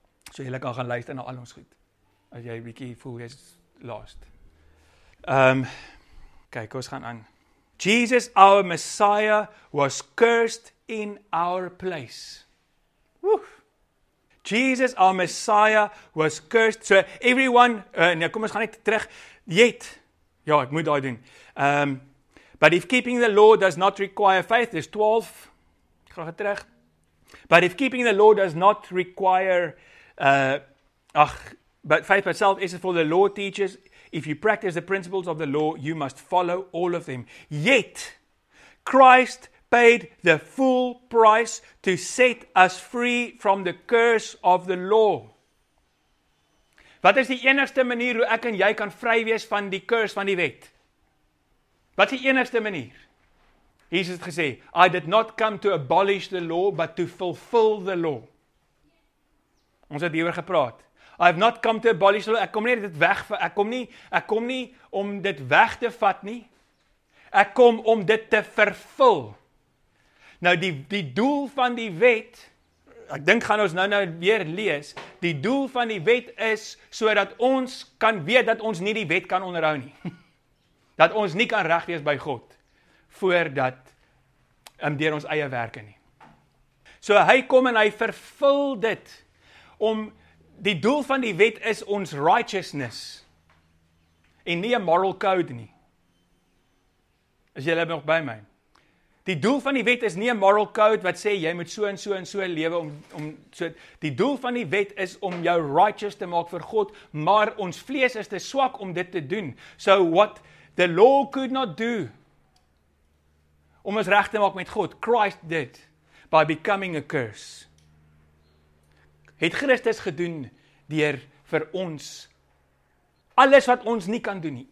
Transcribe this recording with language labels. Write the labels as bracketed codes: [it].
[af] So jylle kan gaan luister na al ons goed, as jy bietjie voel jy is lost. Kyk, ons gaan aan. [en] Jesus, our Messiah, was cursed in our place. Woef! Jesus, our Messiah, was cursed. So everyone, [af] nou kom ons gaan net terug, yet. Ja, ek moet daai doen. [en] But if keeping the law does not require faith, there's 12, [af] ek gaan terug. [en] But if keeping the law does not require, but faith itself is for the law teachers, if you practice the principles of the law, you must follow all of them. Yet, Christ paid the full price to set us free from the curse of the law. [af] Wat is die enigste manier hoe ek en jy kan vry wees van die curse van die wet? Wat is die enigste manier? Jesus het gesê, [en] I did not come to abolish the law, but to fulfill the law. [af] Ons het hieroor gepraat. [en] I have not come to abolish the law. [af] Ek kom nie om dit weg te vat nie. Ek kom om dit te vervul. Nou, die doel van die wet, ek dink gaan ons nou weer lees, die doel van die wet is sodat ons kan weet dat ons nie die wet kan onderhou nie. Dat ons nie kan reg wees by God, voordat deur ons eie werke nie. So hy kom en hy vervul dit, om die doel van die wet is ons righteousness, en nie 'n moral code nie. As jy nog by my. Die doel van die wet is nie 'n moral code wat sê jy moet so en so en so lewe om so. Die doel van die wet is om jou righteous te maak vir God, maar ons vlees is te swak om dit te doen. [en] So what the law could not do [af] om ons reg te maak met God, [en] Christ did by becoming a curse. [af] Het Christus gedoen deur vir ons alles wat ons nie kan doen nie.